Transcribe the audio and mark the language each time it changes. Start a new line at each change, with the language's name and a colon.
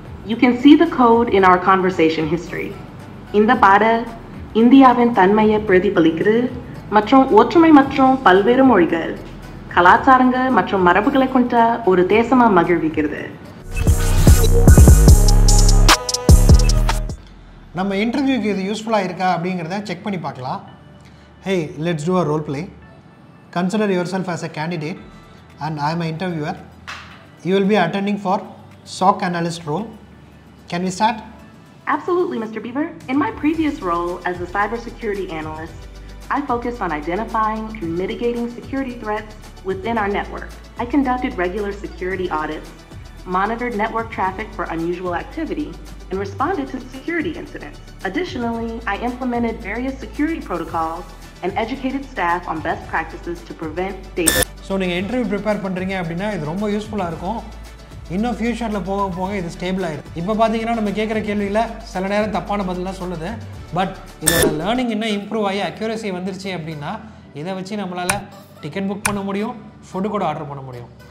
English: You can see the code in our conversation history.
Tamil: இந்த பாடல் இந்தியாவின் தன்மையை பிரதிபலிக்கிறது மற்றும் ஒற்றுமை மற்றும் பல்வேறு மொழிகள் கலாச்சாரங்கள் மற்றும் மரபுகளை கொண்ட ஒரு தேசமாக மகிழ்விக்கிறது. நம்ம இன்டர்வியூக்கு இது யூஸ்ஃபுல்லாக இருக்கா அப்படிங்கிறத செக் பண்ணி பார்க்கலாம்.
English: Hey, let's do a role play. Consider yourself as a candidate and I am a interviewer. You will be attending for SOC analyst role. Can we start? Absolutely, Mr. Beaver. In my previous role as a cybersecurity analyst, I focused on identifying and mitigating security threats within our network. I conducted regular security audits, monitored network traffic for unusual activity, and responded to security incidents. Additionally, I implemented various security protocols and educated staff on best practices to prevent data.
Tamil: So, நீங்க interview prepare பண்றீங்க அப்படினா இது ரொம்ப யூஸ்புல்லா இருக்கும். இன்னும் ஃப்யூச்சரில் போக போக இது ஸ்டேபிள் ஆயிருக்கு. இப்போ பார்த்தீங்கன்னா நம்ம கேட்குற கேள்வியில் சில நேரம் தப்பான பதிலாக சொல்லுது, பட் இதோட லேர்னிங் இன்னும் இம்ப்ரூவ் ஆகி அக்யூரசி வந்துருச்சு அப்படின்னா இதை வச்சு நம்மளால் டிக்கெட் புக் பண்ண முடியும், ஃபுட்டு கூட ஆர்டர் பண்ண முடியும்.